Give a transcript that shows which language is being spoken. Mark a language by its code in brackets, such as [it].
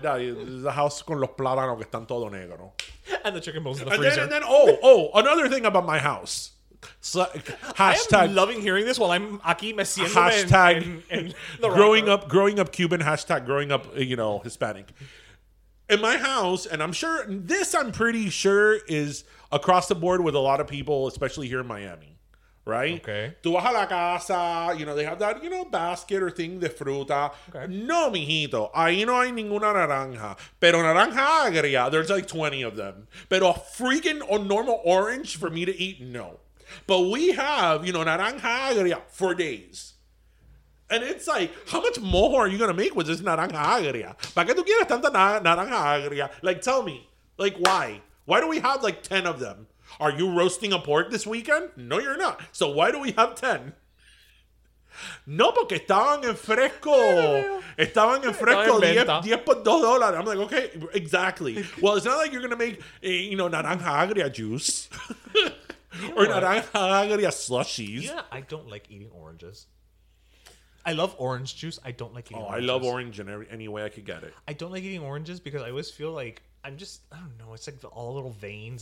[en] The house [es] con los plátanos que están todo negro. [en] And the chicken bones in the freezer. And then, oh, another thing about my house. So, hashtag. I am loving hearing this while I'm [es] aquí me siento. [en] Hashtag. Growing up Cuban. Hashtag growing up, you know, Hispanic. In my house, and I'm pretty sure is across the board with a lot of people, especially here in Miami. Right? Okay. [es] Tu vas a la casa, [en] you know, they have that, you know, basket or thing [es] de fruta. [en] Okay. [es] No, mijito. Ahí no hay ninguna naranja. Pero naranja agria, [en] there's like 20 of them. [es] Pero [en] freaking a normal orange for me to eat, no. But we have, you know, naranja agria for days. And it's like, how much mojo are you going to make with this naranja agria? [es] ¿Para qué tú quieres tanta naranja agria? [en] Like, tell me. Like, why? Why do we have like 10 of them? Are you roasting a pork this weekend? No, you're not. So why do we have 10? [es] No, porque estaban en fresco. Estaban en fresco. 10 por 2 dólares. [en] I'm like, okay, exactly. Well, it's not like you're going to make, you know, naranja agria juice. Or naranja agria slushies. Yeah, I don't like eating oranges. I love orange juice. I don't like eating oranges. Oh, I love orange in any way I could get it. I don't like eating oranges because I always feel like I'm just, I don't know, it's like all little veins.